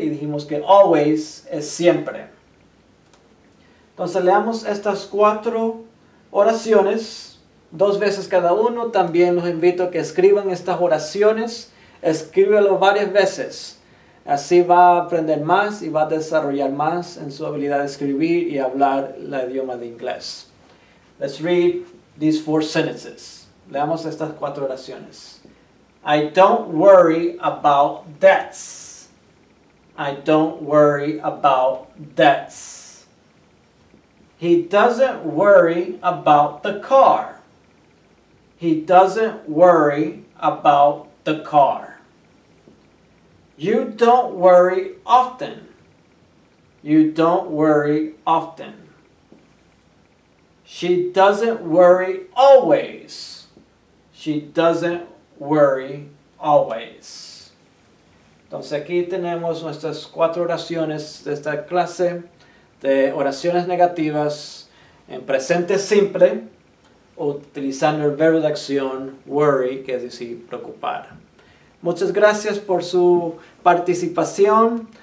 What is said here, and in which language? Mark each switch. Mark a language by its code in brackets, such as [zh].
[es] Y dijimos que always es siempre. Entonces leamos estas cuatro oraciones, dos veces cada uno. También los invito a que escriban estas oraciones. Escríbelo varias veces. Así va a aprender más y va a desarrollar más en su habilidad de escribir y hablar el idioma de inglés. [en] Let's read these four sentences. [es] Leamos estas cuatro oraciones. [en] I don't worry about debts. I don't worry about debts. He doesn't worry about the car. He doesn't worry about the car. You don't worry often. You don't worry often. She doesn't worry always. She doesn't worry always. [es] Entonces aquí tenemos nuestras cuatro oraciones de esta clase de oraciones negativas en presente simple utilizando el verbo de acción worry, que es decir, preocupar. Muchas gracias por su participación.